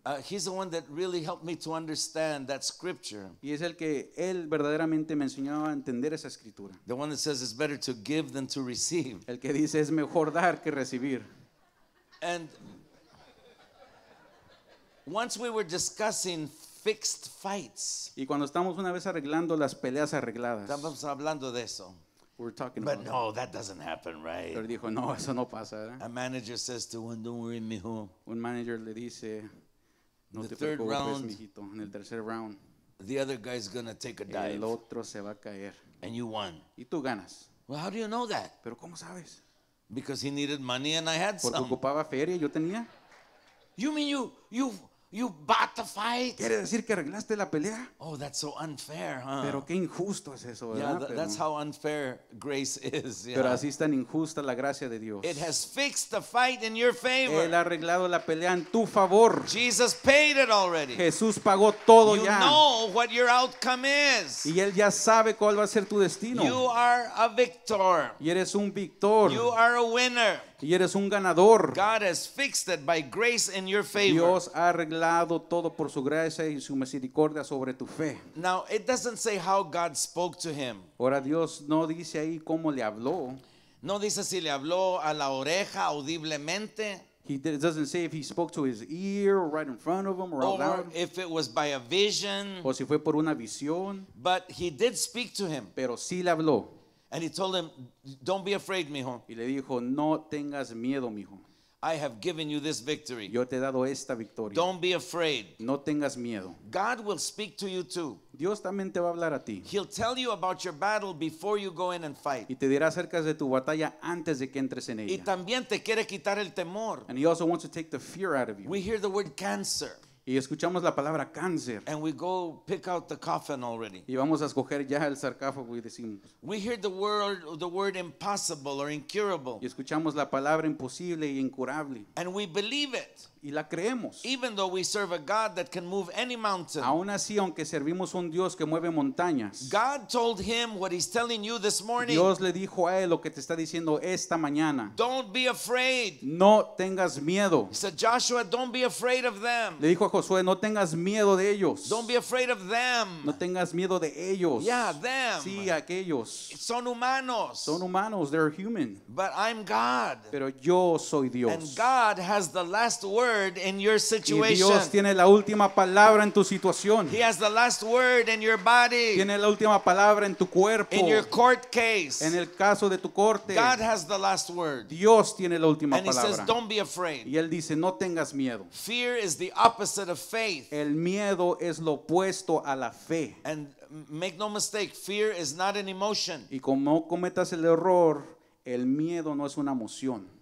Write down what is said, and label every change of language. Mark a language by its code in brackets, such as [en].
[en] He's the one that really helped me to understand that scripture. [es] Y es el que él verdaderamente me enseñó a entender esa escritura. [en] The one that says it's better to give than to receive. [es] El que dice es mejor dar que recibir. [en] And once we were discussing fixed fights. [es] Y cuando estamos una vez arreglando las peleas arregladas. Estamos hablando de eso. [en] We're talking but about no, that doesn't happen, right? [es] Pero dijo, no, eso no pasa, ¿eh? [en] A manager says to one, "Don't worry, mijo." [es] Un manager le dice, no te preocupes, mijito. En el tercer round, [en] the other guy's gonna take a dive. [es] El otro se va a caer. [en] And you won. [es] Y tú ganas. [en] Well, how do you know that? [es] Pero cómo sabes? [en] Because he needed money and I had [es] porque [en] some. [es] Porque ocupaba feria, yo tenía. [en] You mean you bought the fight? [es] ¿Quiere decir que arreglaste la pelea? [en] Oh, that's so unfair, huh? [es] Pero qué injusto es eso, ¿verdad? [en] Yeah, that's how unfair grace is. Yeah. [es] Pero así es tan injusta la gracia de Dios. [en] It has fixed the fight in your favor. [es] Él ha arreglado la pelea en tu favor. [en] Jesus paid it already. [es] Jesús pagó todo [en] you [es] ya. [en] You know what your outcome is. [es] Y él ya sabe cuál va a ser tu destino. [en] You are a victor. [es] Y eres un victor. [en] You are a winner. [es] Y eres un ganador. [en] God has fixed it by grace in your favor. [es] Dios ha arreglado todo por su gracia y su misericordia sobre tu fe. [en] Now it doesn't say how God spoke to him. [es] Ahora Dios no dice ahí cómo le habló. No dice si le habló a la oreja audiblemente. [en] It doesn't say if he spoke to his ear or right in front of him or out loud. If it was by a vision. [es] O si fue por una visión. [en] But he did speak to him. [es] Pero sí le habló. [en] And he told him, "Don't be afraid, mijo." [es] Y le dijo, "No tengas miedo, mijo." [en] I have given you this victory. [es] Yo te he dado esta victoria. [en] Don't be afraid. [es] No tengas miedo. [en] God will speak to you too. [es] Dios también te va a hablar a ti. [en] He'll tell you about your battle before you go in and fight. [es] Y te dirá acerca de tu batalla antes de que entres en ella. Y también te quiere quitar el temor. [en] And he also wants to take the fear out of you. We hear the word cancer. [es] Y escuchamos la palabra cáncer. [en] And we go pick out the coffin already. [es] Y vamos a escoger ya el sarcófago y decimos. [en] We hear the word impossible or incurable. [es] Y escuchamos la palabra imposible y incurable. [en] And we believe it. [es] Y la creemos. [en] Even though we serve a God that can move any mountain. [es] Aún así, aunque servimos un Dios que mueve montañas. [en] God told him what he's telling you this morning. [es] Dios le dijo a él lo que te está diciendo esta mañana. [en] Don't be afraid. [es] No tengas miedo. [en] He said, "Joshua, don't be afraid of them." [es] Le dijo a Josué, no tengas miedo de ellos. [en] Don't be afraid of them. [es] No tengas miedo de ellos. [en] Yeah, them. [es] Sí, aquellos. Son humanos. Son humanos. [en] They're human. But I'm God. [es] Pero yo soy Dios. [en] And God has the last word. Word in your situation. [es] Y Dios tiene la última palabra en tu situación. [en] He has the last word in your body. [es] Tiene la última palabra en tu cuerpo. [en] In your court case. [es] En el caso de tu corte. [en] God has the last word. [es] Dios tiene la última [en] palabra. And he says, "Don't be afraid." [es] Y él dice, no tengas miedo. [en] Fear is the opposite of faith. [es] El miedo es lo opuesto a la fe. [en] And make no mistake, fear is not an emotion. [es] Y como cometas el error, el miedo no es una emoción.